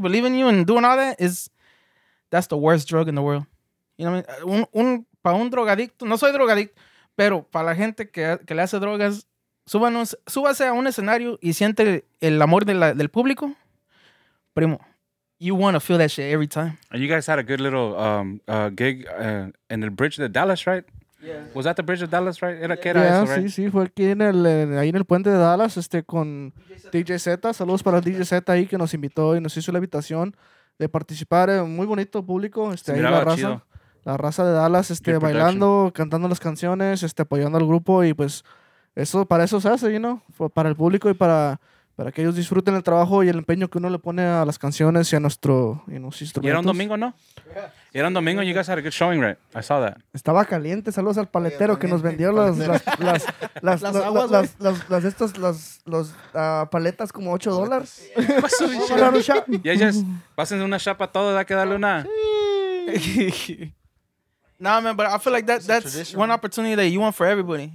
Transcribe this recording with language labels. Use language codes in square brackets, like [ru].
[en] Believing you and doing all that is, that's the worst drug in the world. You know what I mean? [es] Para un drogadicto, no soy drogadicto, pero para la gente que le hace drogas, súbase a un escenario y siente el amor del público. [en] Primo, you want to feel that shit every time. And you guys had a good little gig in the bridge to Dallas, right? Yeah. Was that the Bridge of Dallas, right? Era, yeah, era, yeah, eso, right? [es] Sí, sí, fue aquí en el, ahí en el puente de Dallas, con DJ Z. Saludos para el DJ Z ahí que nos invitó y nos hizo la invitación de participar. Muy bonito público, ahí la raza. Chido. La raza de Dallas, bailando, cantando las canciones, apoyando al grupo y pues eso, para eso se hace, [en] you know? [es] Para el público y para que ellos disfruten el trabajo y el empeño que uno le pone a las canciones y a nuestro y a nuestros instrumentos. Y era un domingo, ¿no? Yeah. Era un domingo, [en] you guys had a good showing, right? I saw that. [es] Estaba caliente, saludos al paletero que nos vendió las paletas como $8. Ya, yes. Pasen una chapa a todos, da que darle una. [en] Nah, man, but I feel like that's one opportunity that you want for everybody.